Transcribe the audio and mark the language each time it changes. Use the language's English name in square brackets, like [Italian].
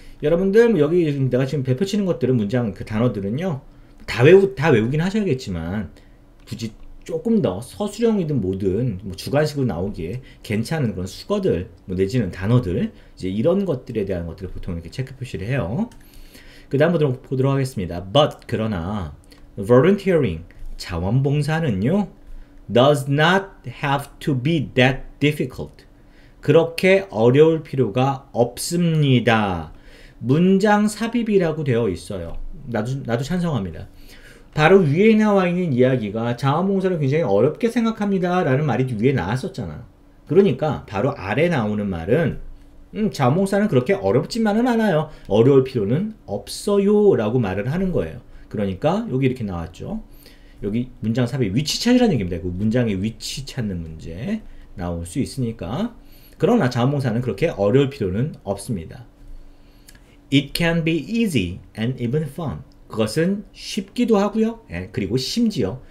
[Korean] 여러분들 여기 내가 지금 대표치는 것들은 문장 그 단어들은요 다 외우긴 하셔야겠지만 굳이 조금 더 서술형이든 뭐든 뭐 주관식으로 나오기에 괜찮은 그런 수거들 뭐 내지는 단어들 이제 이런 것들에 대한 것들을 보통 이렇게 체크 표시를 해요. 그 다음 보도록 하겠습니다. [English] But [Korean] 그러나 [English] volunteering [Korean] 자원봉사는요, [English] does not have to be that difficult. [Korean] 그렇게 어려울 필요가 없습니다. 문장 삽입이라고 되어 있어요. 나도 찬성합니다. 바로 위에 나와 있는 이야기가 자원봉사를 굉장히 어렵게 생각합니다. 라는 말이 위에 나왔었잖아. 그러니까 바로 아래 나오는 말은 자원봉사는 그렇게 어렵지만은 않아요. 어려울 필요는 없어요. 라고 말을 하는 거예요. 그러니까 여기 이렇게 나왔죠. 여기 문장 삽입 위치 찾으라는 얘기입니다. 그 문장의 위치 찾는 문제 나올 수 있으니까. 그러나 자원봉사는 그렇게 어려울 필요는 없습니다. [English] It can be easy and even fun. [Korean] 그것은 쉽기도 하고요. 예, 그리고 심지어